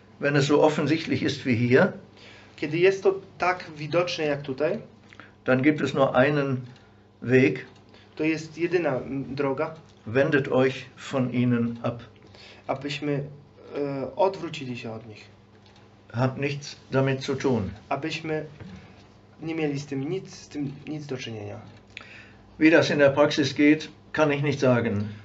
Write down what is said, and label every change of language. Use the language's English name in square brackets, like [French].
[German] Wenn es so offensichtlich ist wie hier, [Polish] kiedy jest to tak widoczne jak tutaj, [German] dann gibt es nur einen Weg. [Polish] To jest jedyna droga. [German] Wendet euch von ihnen ab. [Polish] Abyśmy odwrócili się od nich. [German] Habt nichts damit zu tun. [Polish] Abyśmy nie mieli z tym nic, do czynienia. [German] Wie das in der Praxis geht, kann ich nicht sagen.